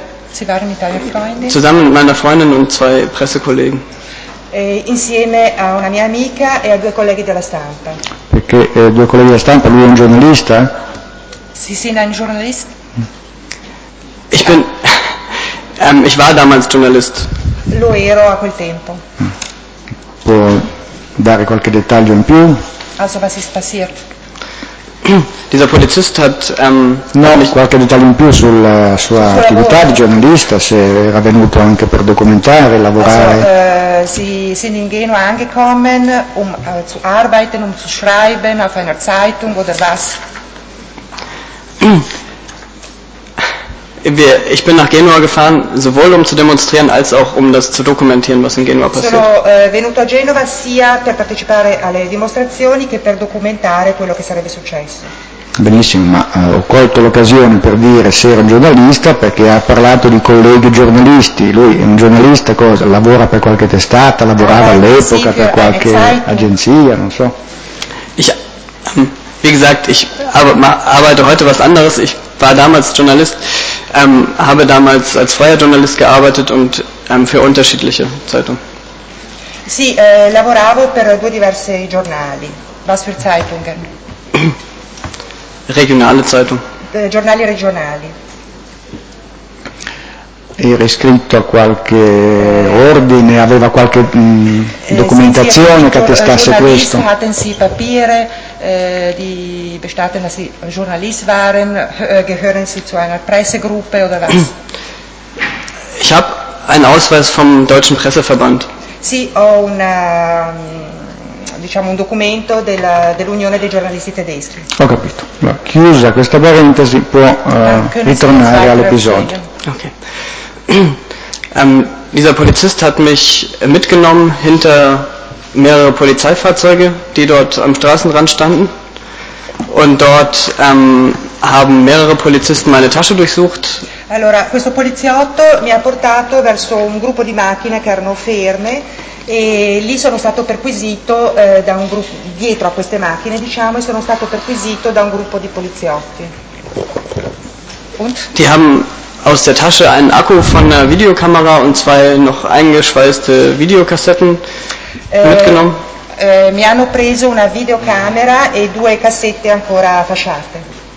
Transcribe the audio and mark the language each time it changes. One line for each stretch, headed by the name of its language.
German: Sie waren mit deiner Freundin? Zusammen mit meiner Freundin und zwei Pressekollegen.
Italian: Insieme a una mia amica e a due colleghi della stampa. Perché due colleghi della stampa, lui è un giornalista? Sì, sì, è un giornalista.
German: Ich bin ich war damals Journalist.
Italian: Lo ero a quel tempo. Può dare qualche dettaglio in più?
German: Also was ist passiert? Dieser Polizist hat
Italian: qualche dettaglio in più sulla sua attività di giornalista, se era venuto anche per documentare, lavorare.
German: Sie sind in Genua angekommen, um zu arbeiten, um zu schreiben auf einer Zeitung oder was? Ich bin nach Genua gefahren, sowohl um zu demonstrieren als auch um das zu dokumentieren, was in Genua passiert.
Italian: Sono venuto a Genova sia per partecipare alle dimostrazioni che per documentare quello che sarebbe successo. Benissimo, ma ho colto l'occasione per dire se era un giornalista perché ha parlato di colleghi giornalisti. Lui è un giornalista, cosa? Lavora per qualche testata, lavorava all'epoca per qualche agenzia, non so.
German: Ich, wie gesagt, ich arbeite heute was anderes. Ich war damals Journalist, habe damals als freier Journalist gearbeitet und für unterschiedliche Zeitungen.
Italian: Sì, lavoravo per due diversi giornali.
German: Was für Zeitungen? Regionale Zeitung.
Italian: Giornali regionali. Era iscritto a qualche ordine, aveva qualche documentazione che attestasse questo.
German: Hatten Sie Papiere, die bestätigten, dass Sie Journalist waren? Gehören Sie zu einer Pressegruppe oder was? Ich habe einen Ausweis vom Deutschen Presseverband.
Italian: Sì, ho una, diciamo, un documento della, dell'Unione dei giornalisti tedeschi. Ho capito. Allora, chiusa questa parentesi, può ritornare all'episodio. Ok.
German: dieser Polizist hat mich mitgenommen hinter mehrere Polizeifahrzeuge, die dort am Straßenrand standen. Und dort haben mehrere Polizisten meine Tasche durchsucht.
Italian: Allora, questo poliziotto mi ha portato verso un gruppo di macchine che erano ferme e lì sono stato perquisito da un gruppo, dietro a queste macchine, diciamo, e sono stato perquisito da un gruppo di poliziotti. Und?
German: Die haben aus der Tasche einen Akku von einer Videokamera und zwei noch eingeschweißte Videokassetten mitgenommen.
Italian: Mi hanno preso una videocamera e due cassette ancora fasciate.